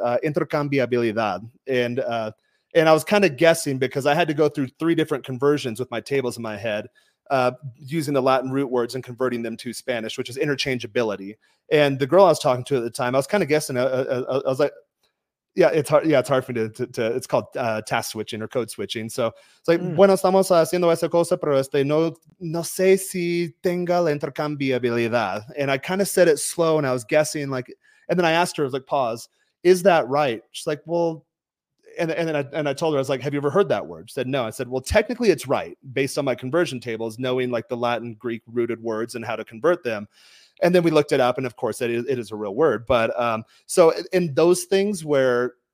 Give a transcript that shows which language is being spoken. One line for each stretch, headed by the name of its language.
English: Intercambiabilidad. And I was kind of guessing because I had to go through 3 different conversions with my tables in my head, using the Latin root words and converting them to Spanish, which is interchangeability. And the girl I was talking to at the time, I was kind of guessing. I was like, yeah, it's hard. Yeah, it's hard for me to it's called task switching or code switching. So it's like,
Spanish: bueno, estamos haciendo esa cosa, pero no sé si tenga la intercambiabilidad.
English: And I kind of said it slow and I was guessing, like, and then I asked her, I was like, pause, is that right? She's like, well, and then I told her, I was like, have you ever heard that word? She said, no. I said, well, technically it's right based on my conversion tables, knowing like the Latin Greek rooted words and how to convert them. And then we looked it up, and of course, it is a real word. But so in those things where